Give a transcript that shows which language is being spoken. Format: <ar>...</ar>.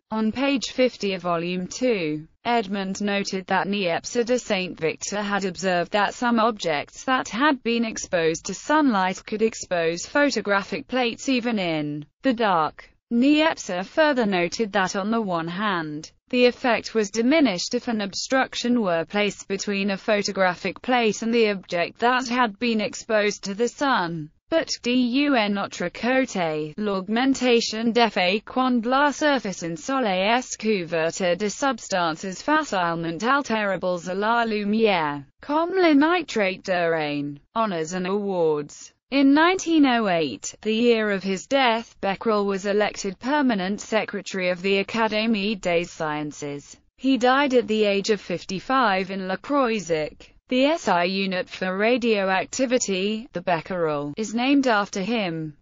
<en>On page 50 of volume 2, Edmund noted that Niepce de Saint-Victor had observed that some objects that had been exposed to sunlight could expose photographic plates even in the dark. Niepce further noted that on the one hand, the effect was diminished if an obstruction were placed between a photographic plate and the object that had been exposed to the sun. But</en> <fr>d'un autre côté, l'augmentation d'effet quand la surface en soleil est couverte de substances facilement alterables à la lumière, comme le nitrate d'urane.</fr> <en>Honours and awards. In 1908, the year of his death, Becquerel was elected permanent secretary of the Académie des Sciences. He died at the age of 55 in La Croisic. The SI unit for radioactivity, the Becquerel, is named after him.</en>